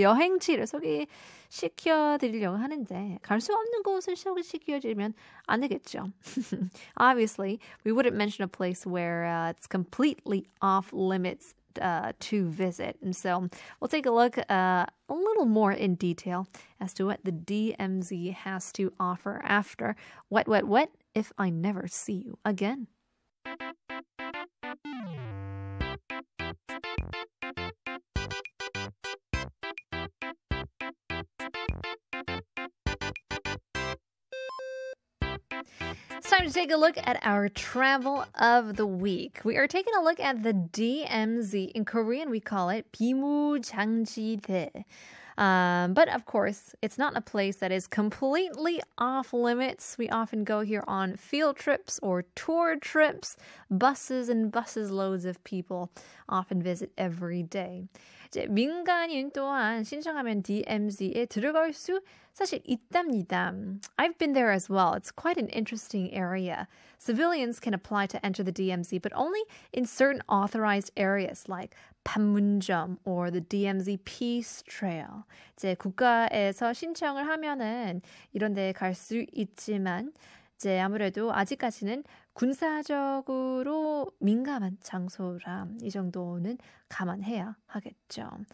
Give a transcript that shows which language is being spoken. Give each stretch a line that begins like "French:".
Korean: 여행지를 소개시켜드리려고 하는데 갈 수 없는 곳을 소개시켜드리면 안 되겠죠.
English: Obviously, we wouldn't mention a place where it's completely off limits to visit. And so we'll take a look a little more in detail as to what the DMZ has to offer after what if I never see you again. Time to take a look at our travel of the week. We are taking a look at the DMZ. In Korean, we call it 비무장지대. But of course, it's not a place that is completely off limits. We often go here on field trips or tour trips. Buses and buses loads of people often visit every day.
Korean: 이제 민간인 또한 신청하면 DMZ에 들어갈 수 사실 있답니다.
English: I've been there as well. It's quite an interesting area. Civilians can apply to enter the DMZ, but only in certain authorized areas like Panmunjom or the DMZ Peace Trail.
Korean: 이제 국가에서 신청을 하면은 이런 데 갈 수 있지만 이제 아무래도 아직까지는 군사적으로 민감한 장소라 이 정도는 감안해야 하겠죠.